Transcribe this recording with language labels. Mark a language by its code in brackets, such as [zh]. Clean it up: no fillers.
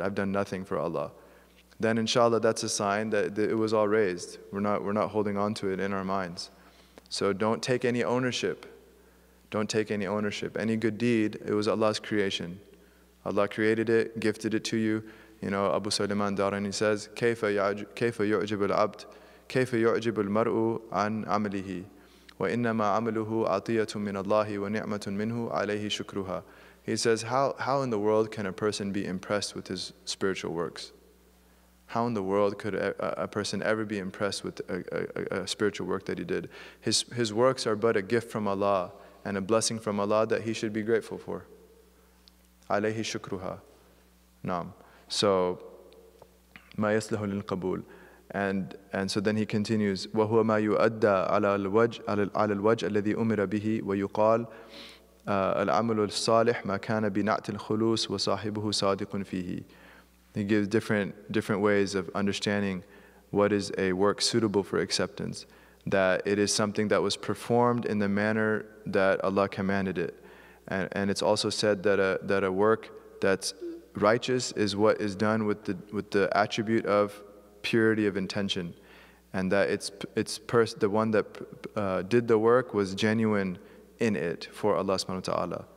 [en] I've done nothing for Allah. Then inshallah, that's a sign that it was all raised. We're not holding on to it in our minds. So don't take any ownership. Don't take any ownership. Any good deed, it was Allah's creation. Allah created it, gifted it to you. You know, Abu Sulaiman Darani says, [ar] كَيْفَ يُعْجِبُ الْعَبْدُ كَيْفَ يُعْجِبُ الْمَرْءُ عَنْ عَمْلِهِ وَإِنَّمَا عَمْلُهُ عَطِيَةٌ مِّنَ اللَّهِ وَنِعْمَةٌ مِّنْهُ عَلَيْهِ شُكْرُهَا. [en] He says, how in the world can a person be impressed with his spiritual works? How in the world could a person ever be impressed with a spiritual work that he did? His works are but a gift from Allah and a blessing from Allah that he should be grateful for. [ar] عَلَيْهِ شُكْرُهَا. نعم. So, مَا يَسْلِحُ لِلْقَبُولِ. [en] And so then he continues, [ar] وَهُوَ مَا يُؤَدَّى عَلَى الْوَجْهِ عَلَى الْوَجْهِ الَّذِي أُمِرَ بِهِ وَيُقَالَ الْعَمَلُ الصَّالِحُ مَا كَانَ بِنَعْتِ الْخُلُوسِ وَصَاحِبُهُ صَادِقٌ فِيهِ. [en] He gives different ways of understanding what is a work suitable for acceptance, that it is something that was performed in the manner that Allah commanded it. And it's also said that a work that's righteous is what is done with the attribute of purity of intention, and that the one that did the work was genuine in it for Allah subhanahu wa ta'ala.